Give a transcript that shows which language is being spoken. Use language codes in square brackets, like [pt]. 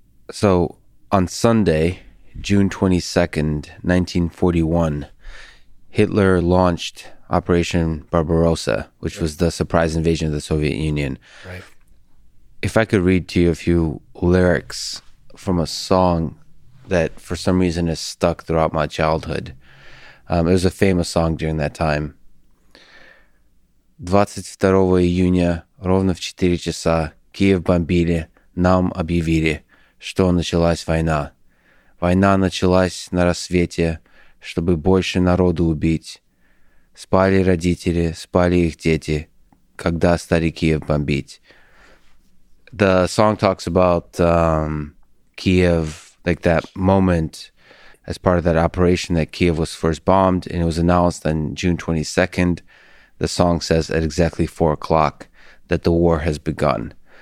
[en] So on Sunday, June 22nd, 1941, Hitler launched Operation Barbarossa, which was the surprise invasion of the Soviet Union. Right. If I could read to you a few lyrics from a song that for some reason has stuck throughout my childhood. It was a famous song during that time. [ru] 22 июня, ровно в 4 часа, Киев бомбили, нам объявили, что началась война. Война началась на рассвете, чтобы больше народу убить. Спали родители, спали их дети, когда стали Киев бомбить. [en] The song talks about Kiev, like that moment as part of that operation that Kiev was first bombed, and it was announced on June 22nd. The song says at exactly 4 o'clock that the war has begun.